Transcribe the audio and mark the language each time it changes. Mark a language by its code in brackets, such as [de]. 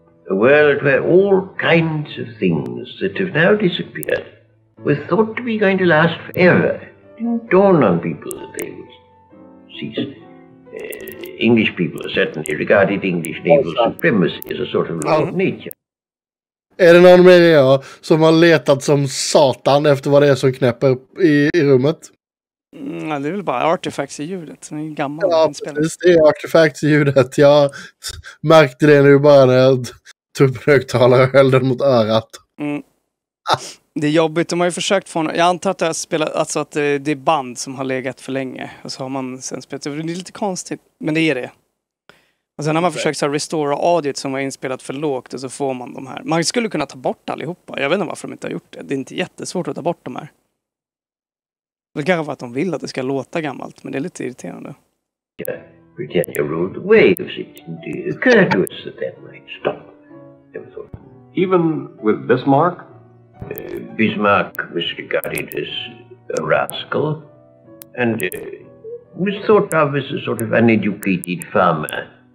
[en] A world where all kinds of things that have now disappeared were thought to be going to last forever. It didn't dawn on people that they would cease. English people certainly regarded English naval supremacy as a sort of law of nature. [sv] Är det någon mer än jag som har letat som satan efter vad det är som knäpper i rummet? Nej, det är väl bara artifacts i ljudet. Det är en gammal inspelning. Ja, det är artifacts i ljudet. Jag märkte det nu bara när jag tog på högtalare och höll den mot örat. Mm. Det är jobbigt. De har ju försökt få... Jag antar att, att det är band som har legat för länge. Och så har man sen spelat... Det är lite konstigt, men det är det. Och sen har man försökt att restora audiot som var inspelat för lågt och så får man de här. Man skulle kunna ta bort allihopa. Jag vet inte varför de inte har gjort det. Det är inte jättesvårt att ta bort de här. Det kan vara att de vill att det ska låta gammalt, men det är lite irriterande. [en] Yeah, pretend you rode the waves. It occurred to us that that might stop. Never thought. Even with Bismarck? Bismarck was regarded as a rascal and was thought of as a sort of uneducated farmer.